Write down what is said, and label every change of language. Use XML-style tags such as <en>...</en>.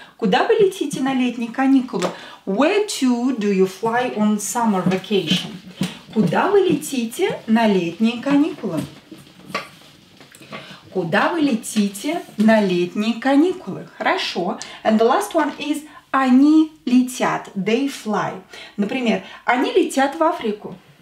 <ru>Куда вы летите на летние каникулы?</ru> <en>Where to do you fly on summer vacation?</en> <ru>Куда вы летите на летние каникулы? Куда вы летите на летние каникулы? Хорошо.</ru> <en>And the last one is</en> <ru>они летят.</ru> <en>They fly.</en> <ru>Например, они летят в Африку.</ru>